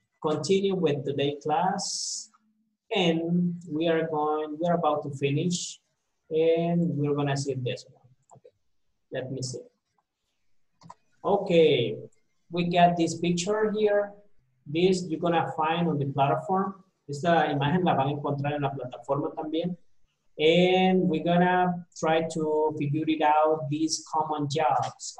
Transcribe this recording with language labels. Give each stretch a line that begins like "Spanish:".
English: Continue with today's class. And we're about to finish and we're going to see this one. Okay. Let me see. Okay. We got this picture here. This you're going to find on the platform.
Spanish: Esta imagen la van a encontrar en la plataforma también.
English: And we're gonna try to figure it out, these common jobs.